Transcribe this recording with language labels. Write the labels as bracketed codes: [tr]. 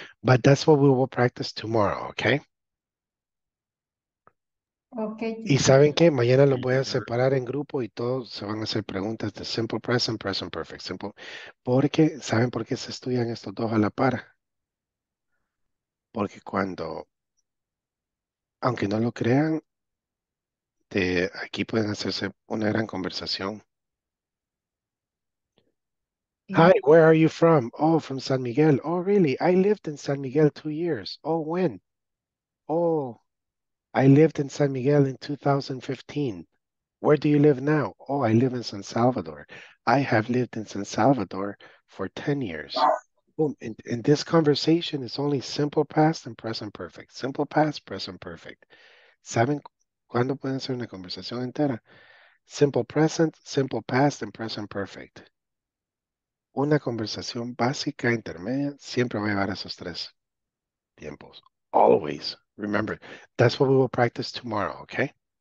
[en] But that's what we will practice tomorrow, okay? Okay. [es] Y saben qué, mañana los voy a separar en grupo y todos se van a hacer preguntas de simple present, present perfect, simple. Porque saben por qué se estudian estos dos a la par. Porque cuando, aunque no lo crean, aquí pueden hacerse una gran conversación. [en] Hi, where are you from? Oh, from San Miguel. Oh, really? I lived in San Miguel 2 years. Oh, when? Oh, I lived in San Miguel in 2015. Where do you live now? Oh, I live in San Salvador. I have lived in San Salvador for 10 years. Boom. And this conversation is only simple past and present perfect. Simple past, present perfect. [es] ¿Saben cuándo pueden hacer una conversación entera? [en] Simple present, simple past, and present perfect. [es] Una conversación básica, intermedia, siempre va a llevar a esos tres tiempos. [en] Always. Remember, that's what we will practice tomorrow, okay?